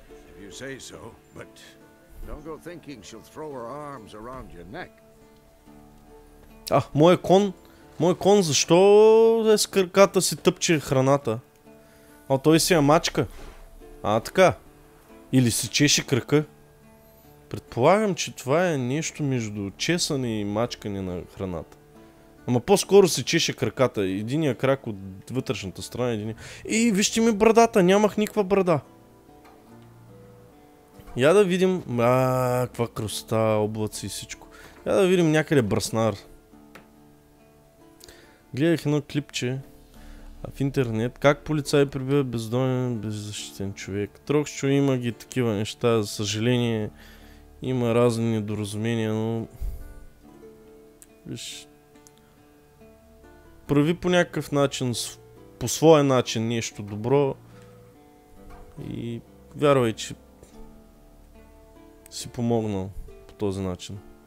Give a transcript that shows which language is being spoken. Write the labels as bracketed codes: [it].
[en] If you say so, but don't go thinking she'll throw her arms around your neck. [bg] Ах, моя кон, защо е с кърката си тъпче храната? А той си я мачка. А, така. Или си чеше кръка. Предполагам, че това е нещо между чесане и мачкане на храната. Ама по-скоро се чеше краката. Единия крак от вътрешната страна, единия... И вижте ми брадата, нямах никаква брада. Я да видим... Ааа, каква красота, облаци и всичко. Я да видим някъде Бръснар. Гледах едно клипче в интернет. Как полицай прибива бездомен, беззащитен човек. Трохчо има ги такива неща, за съжаление... Има разни недоразумения, но... Виж... Прави по някакъв начин, по своя начин нещо добро. И вярвай, че... Си помогнал по този начин.